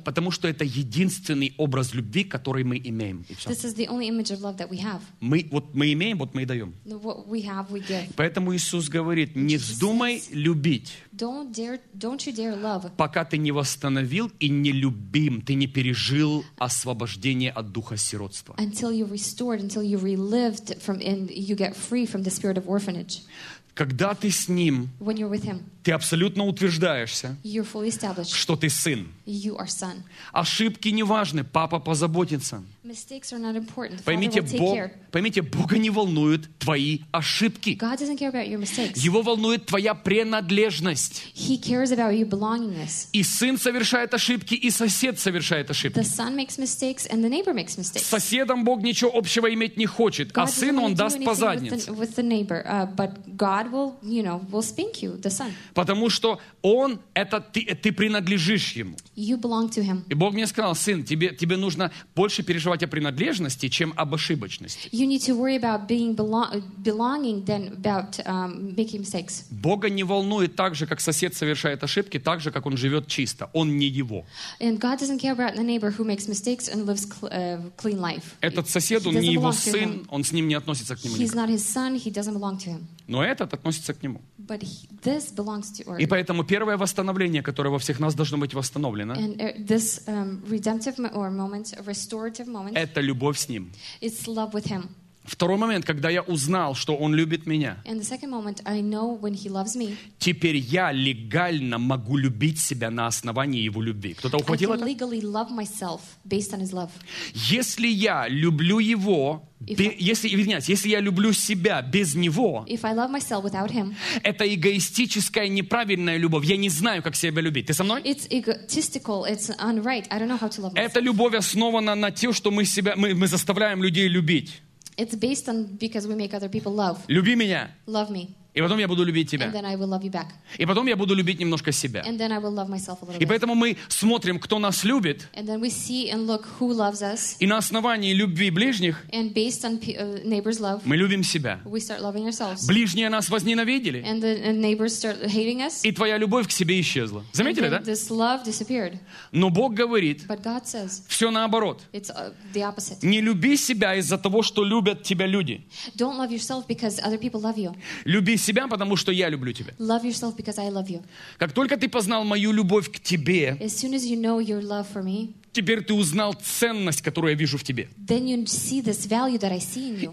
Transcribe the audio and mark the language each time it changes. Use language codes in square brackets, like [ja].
[ru] Потому что это единственный образ любви, который мы имеем. [en] This is the only image of love that we have. [ru] Мы имеем, вот мы и даем. [en] What we have, we give. [ru] Поэтому Иисус говорит, не вздумай любить. [en] Don't you dare love. [ru] Пока ты не восстановил и не любим, ты не пережил освобождение от духа сиротства. [en] Until you restored, until you relived from, and you get free from the spirit of orphanage. [ru] Когда ты с ним, [en] when you're with him, [ru] ты абсолютно утверждаешься, [en] you're fully established, [ru] что ты сын. [en] You are son. [ru] Ошибки не важны, папа позаботится. [en] Mistakes are not important. [ru] Поймите, поймите, Бога не волнуют твои ошибки. [en] God doesn't care about your mistakes. [ru] Его волнует твоя принадлежность. [en] He cares about your belongingness. [ru] И сын совершает ошибки, и сосед совершает ошибки. [en] The son makes mistakes and the neighbor makes mistakes. [ru] С соседом Бог ничего общего иметь не хочет, [en] God [ru] а сыну он даст по заднице. [en] With the neighbor, but God will, you know, will spank you, the son. [ru] Потому что он, это ты принадлежишь ему. [en] You belong to him. [ru] И Бог мне сказал, сын, тебе нужно больше переживать о принадлежности, чем об ошибочности. [en] You need to worry about being belonging than about making mistakes. [ru] Бога не волнует так же, как сосед совершает ошибки, так же, как он живет чисто. Он не его. [en] And God doesn't care about the neighbor who makes mistakes and lives clean life. [ru] Этот сосед, он не его сын, он с ним не относится к нему никак. [en] He's not his son, he doesn't belong to him. [ru] Но этот относится к нему. [en] But this belongs to [ru] И поэтому первое восстановление, которое во всех нас должно быть восстановлено, [en] and this, redemptive or moment, restorative moment, [ru] это любовь с ним. [en] It's love with him. [ru] Второй момент, когда я узнал, что он любит меня, [en] and the second moment, I know when he loves me, [ru] теперь я легально могу любить себя на основании его любви. Кто-то ухватил [en] I can [ru] это? [en] Legally love myself based on his love. [ru] Если я люблю его, если я люблю себя без него, [en] if I love myself without him, [ru] это эгоистическая, неправильная любовь. Я не знаю, как себя любить. Ты со мной? [en] It's egotistical, it's unright. I don't know how to love myself. [ru] Эта любовь основана на том, что мы заставляем людей любить. [en] It's based on because we make other people love. [ru] Люби меня. [en] Love me. [ru] И потом я буду любить тебя. [en] And then I will love you back. [ru] И потом я буду любить немножко себя. [en] And then I will love myself a little bit. [ru] И поэтому мы смотрим, кто нас любит. [en] And then we see and look who loves us. [ru] И на основании любви ближних. [en] And based on neighbor's love. [ru] Мы любим себя. [en] We start loving ourselves. [ru] Ближние нас возненавидели. [en] And the neighbors start hating us. [ru] И твоя любовь к себе исчезла. Заметили, да? [en] This love disappeared. [ru] Но Бог говорит. [en] But God says. [ru] Все наоборот. [en] It's the opposite. [ru] Не люби себя из-за того, что любят тебя люди. [en] Don't love yourself because other people love you. [ru] Люби себя, потому что я люблю тебя. [en] Love yourself because I love you. [ru] Как только ты познал мою любовь к тебе, [en] as soon as you know your love for me, [ru] теперь ты узнал ценность, которую я вижу в тебе. [en] Then you see this value that I see in you.